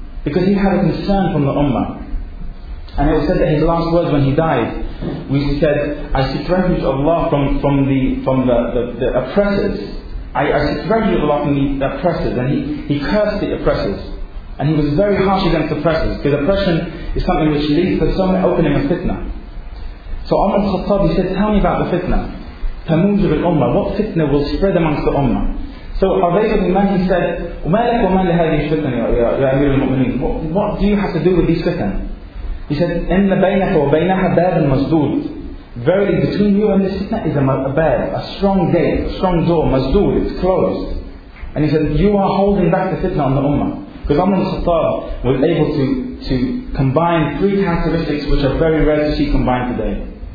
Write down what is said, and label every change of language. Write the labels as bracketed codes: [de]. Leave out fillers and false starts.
[en] Because he had a concern from the ummah. And it was said that his last words when he died, he said, I seek refuge of Allah from the oppressors. I seek refuge of Allah from the oppressors. And he cursed the oppressors. And he was very harsh against the oppressors. Because oppression is something which leads to some opening of fitna. So Umar ibn Khattab, he said, tell me about the fitna. [ar] Tamuj bil ummah. [en] What fitna will spread amongst the ummah? So Hudhayfah ibn al-Yaman, he said, [ar] وَمَا لَكُ وَمَا لِهَذِهِ الْفِتْنَةِ يَا أَمِيرُ الْمُؤْمِنِينَ. [en] What do you have to do with these fitna? He said, [ar] إِنَّ بَيْنَكَ وَبَيْنَهَا بَابٌ مَزْدُودٌ. [en] Verily, between you and this fitna is a bab, a strong gate, a strong door, mazdood, it's closed. And he said, you are holding back the fitna on the ummah. Because Umar ibn Khattab was able to combine three characteristics which are very rare to see combined today.